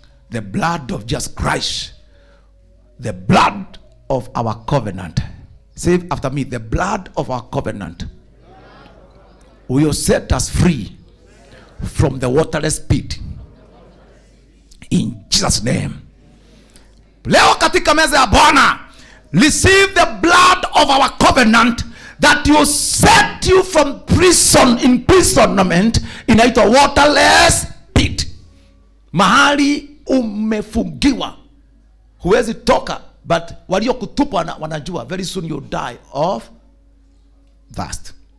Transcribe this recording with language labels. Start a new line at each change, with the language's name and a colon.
English: The blood of Jesus Christ, the blood of our covenant. Say after me, the blood of our covenant will set us free from the waterless pit. In Jesus' name.
Swahili: Leo katika meza ya Bwana.
English: Receive the blood of our covenant that will set you from prison, imprisonment,
Swahili: inaitwa
English: waterless pit.
Swahili: Mahali umefungiwa. Huwezi toka,
English: but
Swahili: walio kutupa wanajua
English: very soon you die of thirst.